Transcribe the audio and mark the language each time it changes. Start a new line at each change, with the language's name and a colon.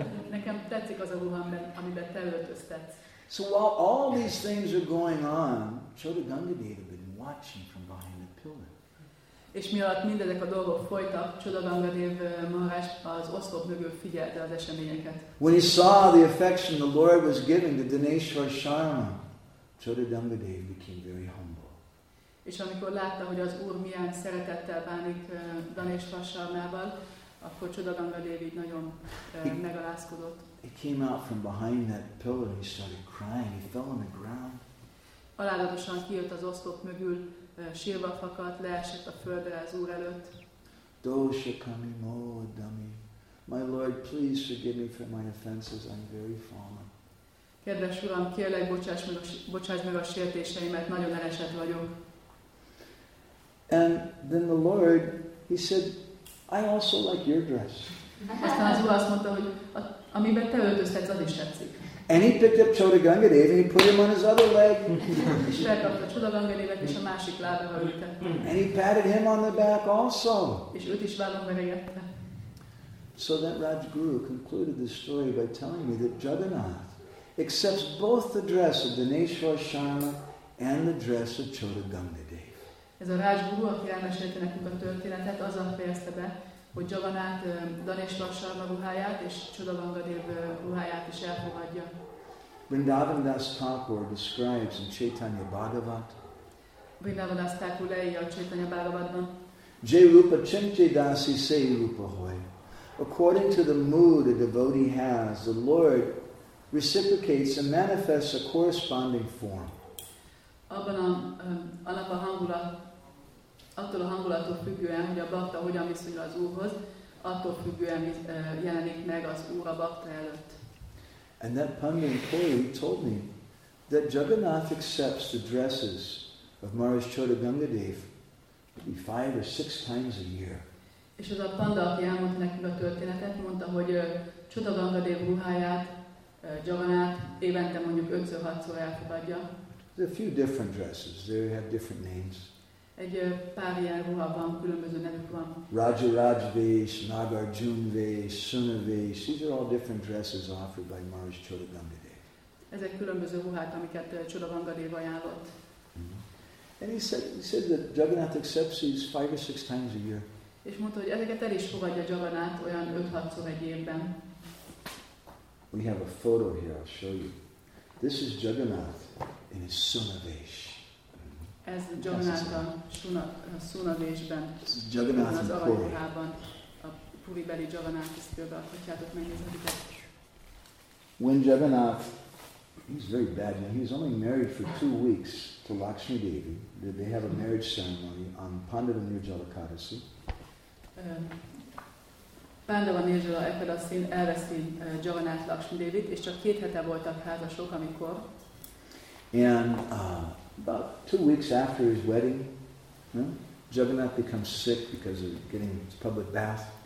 Hungarian: Nekem tetszik az a ruha, amiben te öltöztetsz.
English: So while all these things are going on, Chota Ganga Dev had been watching from behind the pillar.
Hungarian: És mielőtt mindezek a dolgok folytak, Chota Ganga Dev Maharaj az oszlop mögül figyelte az eseményeket.
English: When he saw the affection the Lord was giving to Dhaneshwar Sharma, Chota Ganga Dev became very humble.
Hungarian: És amikor látta, hogy az Úr milyen szeretettel bánik Danés Vasarnával, akkor Csodaganga Dévi nagyon megalázkodott.
English: He came out from behind that pillar and he started crying. He fell on the ground.
Hungarian: Alázatosan kijött az oszlop mögül, sírva fakadt, leesett a földre az Úr előtt. Dosha kamimo dami.
English: My Lord, please forgive me for my offenses. I'm very fallen.
Hungarian: Kedves Uram, kérlek, bocsáss meg a sértéseimet, nagyon elesett vagyok.
English: And then the Lord, he said, I also like your dress.
Hungarian: Aztán az Úr azt mondta, hogy amiben te öltöztetsz, az is tetszik.
English: And he picked up Csodaganga Dévét, and he put him on his other leg.
Hungarian: És felkapta Csodaganga Dévét, és a másik lábára ültette.
English: And he patted him on the back also.
Hungarian: És őt is vállon veregette.
English: So that Rajguru concluded the story by telling me that Jagannath accepts both the dress of Dhaneshwar Sharma and the dress of Chodaganga Dev.
Hungarian: Ez a Rajguru, aki elmesélte nekünk a történetet, azzal fejezte be, hogy Jagannath Dhaneshwar Sharma ruháját és Chodaganga Dev ruháját is elfogadja.
English: Vrindavan Das Thakur describes in Chaitanya Bhagavat.
Hungarian: Vrindavan Das Thakur leírja a Chaitanya Bhagavatban.
Bangla: Jai Rupa Chinche Dasi Sei Rupa Hoy.
English: According to the mood a devotee has, the Lord reciprocates and manifests a corresponding form.
Hungarian: Abban a alapa hangulat, attól a hangulattól függően, hogy a bhakta hogyan viszonyul az Úrhoz, attól függően jelenik meg az Úr a bhakta előtt.
English: And that Pandit Puri told me that Jagannath accepts the dresses of Maharaj Chodaganga Dev maybe 5 or 6 times a year.
Hungarian: És az a panda, aki elmondta nekünk a történetet, mondta, hogy Csodaganga Dév ruháját, Jagannath évente mondjuk 5-6-szor elfogadja.
English: There are a few different dresses. They have different names.
Hungarian: Egy pár ilyen ruha van, különböző nevük van.
English: Raja Rajvesh, Nagarjunvesh, Sunavesh, these are all different dresses offered by Maharaj Chodaganga Dev.
Hungarian: Ezek különböző ruhák, amiket Csodaganga Dév ajánlott.
English: And he said that Jagannath accepts these 5 or 6 times a year.
Hungarian: És mondta, hogy ezeket el is fogadja Jagannath olyan 5-6-szor egy évben.
English: We have a photo here, I'll show you. This is Jagannath in his Sunavesh.
Hungarian: Ez Jagannath a Sunavesh-ben. Jagannath az Aranyruhában. A Puribeli Jagannath is példalkotjátok, megnézhetik el.
English: When Jagannath, he's very bad now, he's only married for 2 weeks to Lakshmi Devi. They have a marriage ceremony on Pandava Nirjala Kadasi.
Hungarian: Pandava Nirjala Ekadasin elveszti Jagannath Lakshmi Devit, és csak 2 hete voltak házasok, amikor.
English: And about 2 weeks after his wedding, Jagannath becomes sick because of getting his public bath.